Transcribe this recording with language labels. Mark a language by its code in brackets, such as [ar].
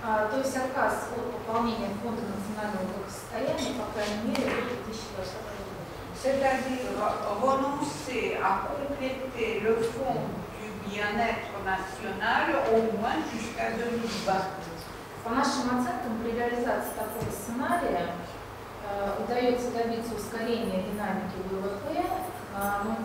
[ru] То есть отказ от пополнения фонда национального благосостояния, по крайней мере, до 2020 года. [fr] C'est-à-dire renoncer à compléter le fonds du bien-être national au moins jusqu'à 2020. [ru] По нашим оценкам, при реализации такого сценария удается добиться ускорения динамики ВВП на